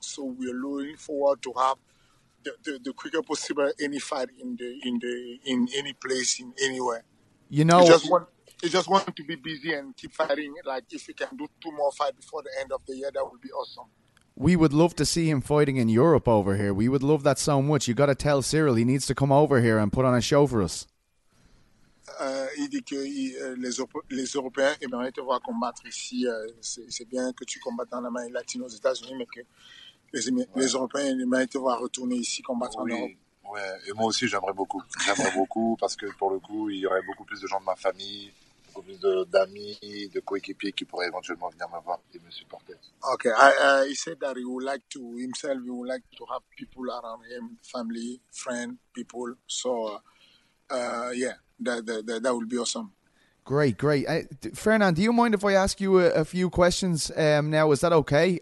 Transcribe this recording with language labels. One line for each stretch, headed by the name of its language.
English: So we're looking forward to have the quicker possible any fight in any place in anywhere. You know, he just want to be busy and keep fighting. Like if he can do 2 more fights before the end of the year, that would be awesome. We would love to see him fighting in Europe over here. We would love that so much. You got to tell Cyril he needs to come over here and put on a show for us.
French: Il dit que les Européens aimeraient te voir combattre ici. C'est bien que tu combattes en Amérique latine aux États-Unis, mais que les Européens aimeraient te voir retourner ici combattre en Europe. Ouais. Et moi aussi, j'aimerais beaucoup. J'aimerais beaucoup parce que pour le coup, il y aurait beaucoup plus de gens de ma famille, beaucoup plus d'amis, de coéquipiers qui pourraient éventuellement venir me voir et me supporter. Ok.
English: Il said that he would like to himself. He would like to have people around him, family, friends, people. So, yeah. That would be awesome. Great. Fernand, do you mind if I ask you a few questions now? Is that okay?